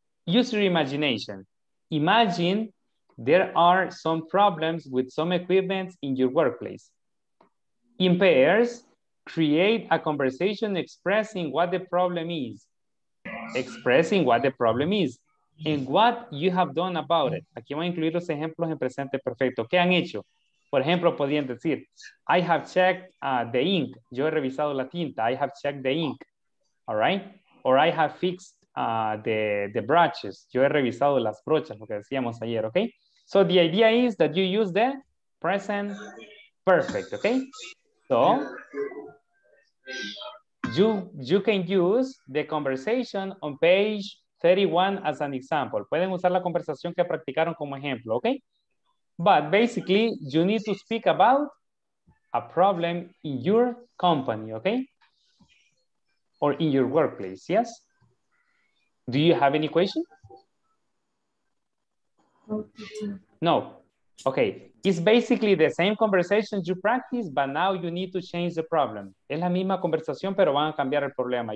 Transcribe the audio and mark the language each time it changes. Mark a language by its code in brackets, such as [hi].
[en] Use your imagination. Imagine there are some problems with some equipment in your workplace. In pairs, create a conversation expressing what the problem is. Expressing what the problem is and what you have done about it. [es] Aquí voy a incluir los ejemplos en presente perfecto. ¿Qué han hecho? Por ejemplo, podrían decir, [en] I have checked the ink. [es] Yo he revisado la tinta. [en] I have checked the ink. All right? Or I have fixed the brushes. [es] Yo he revisado las brochas, lo que decíamos ayer, okay? [en] So the idea is that you use the present perfect, okay? So you can use the conversation on page 31 as an example. [es] Pueden usar la conversación que practicaron como ejemplo, okay? [en] But basically, you need to speak about a problem in your company, okay? Or in your workplace, yes? Do you have any question? No. Okay. It's basically the same conversation you practice, but now you need to change the problem. [es] Es la misma conversación, pero van a cambiar el problema.